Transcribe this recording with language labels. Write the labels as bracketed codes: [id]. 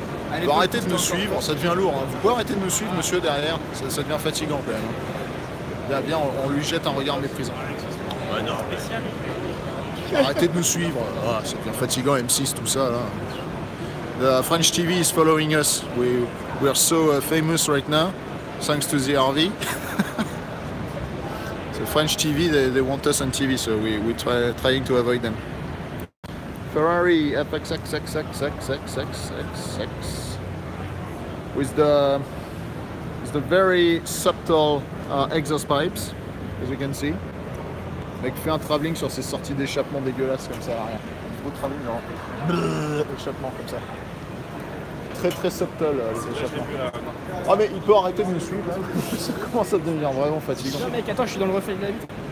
[fr] Allez, vous arrêtez de nous suivre, ça devient lourd. Hein. Vous pouvez arrêter de nous suivre, monsieur, derrière. Ça devient fatigant quand même. Hein. Bien, on lui jette un regard méprisant. Ouais, non, mais... Arrêtez de nous suivre. Ah, c'est bien fatigant, M6, tout ça. Là. [en] The French TV is following us. We are so famous right now, thanks to the RV. The French TV, they want us on TV, so we trying to avoid them. Ferrari FXXXXXXXXX with the very subtle exhaust pipes, as you can see. [fr] Mec fait un travelling sur ses sorties d'échappement dégueulasses comme ça à l'arrière. Gros travelling genre. Blrrr. Échappement comme ça. Très très subtle les échappements. Ah oh, mais il peut arrêter de me suivre là. Ça commence à devenir vraiment fatiguant. Non mec, attends, je suis dans le reflet de la vitre.